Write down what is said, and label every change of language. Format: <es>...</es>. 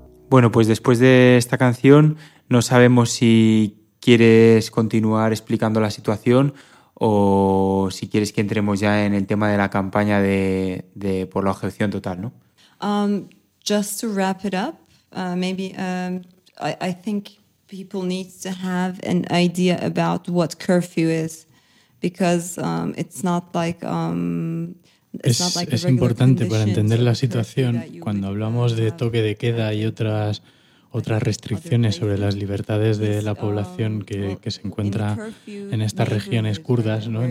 <es>Bueno, pues después de esta canción, no sabemos si quieres continuar explicando la situación o si quieres que entremos ya en el tema de la campaña de por la objeción total, ¿no?</es> <en>Just to wrap it up, maybe I think people need to have an idea about what curfew is, because it's not like</en> <es>Es importante para entender la situación cuando hablamos de toque de queda y otras restricciones sobre las libertades de la población que se encuentra en estas regiones kurdas, ¿no?</es>